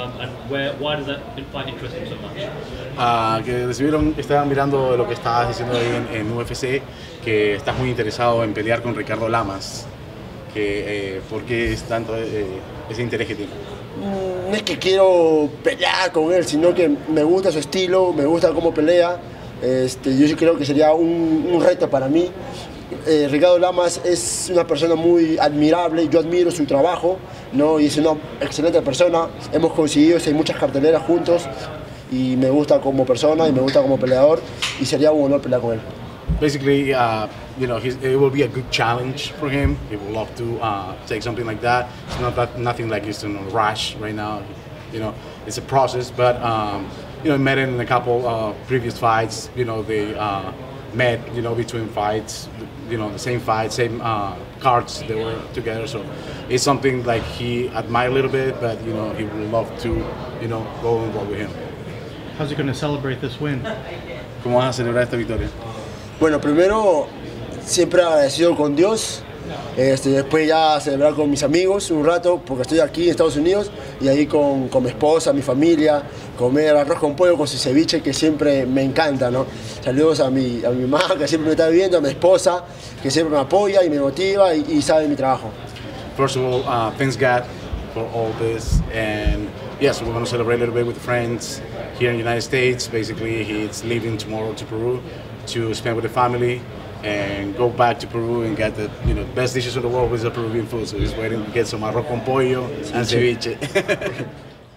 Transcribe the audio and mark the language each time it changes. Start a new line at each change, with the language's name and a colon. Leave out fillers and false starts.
English: And why does that fight interest him so much?
Spanish: Que recibieron, estaban mirando lo que estabas diciendo ahí en UFC, que estás muy interesado en pelear con Ricardo Lamas. ¿Por qué es tanto ese interés que tiene? No es que quiero pelear con él, sino que me gusta su estilo, me gusta cómo pelea. Yo sí creo que sería un reto para mí. Ricardo Lamas es una persona muy admirable, yo admiro su trabajo, ¿no? Y es una excelente persona. Hemos conseguido hacer muchas carteleras juntos y me gusta como persona y me gusta como peleador, y sería un honor pelear con él.
English: Basically, you know, it will be a good challenge for him. He would love to take something like that. It's not that nothing like he's in a rush right now. You know, it's a process. But you know, met him in a couple previous fights. You know, they met. You know, between fights. You know, the same fight, same cards. They were together. So it's something like he admired a little bit. But you know, he would love to, you know, go involved with him. How's he going to celebrate this win?
Spanish: ¿Cómo vas a celebrar esta victoria? Bueno, primero siempre agradecido con Dios, después ya celebrar con mis amigos un rato, porque estoy aquí en Estados Unidos, y ahí con mi esposa, mi familia, comer arroz con pollo con su ceviche, que siempre me encanta, ¿no? Saludos a mi mamá, que siempre me está viendo, a mi esposa, que siempre me apoya y me motiva y sabe mi trabajo.
English: First of all, thanks God for all this, and yes, we're going to celebrate a little bit with friends here in the United States. Basically, he's leaving tomorrow to Peru to spend with the family and go back to Peru and get the, you know, best dishes in the world with the Peruvian food. So he's waiting to get some arroz con pollo and ceviche.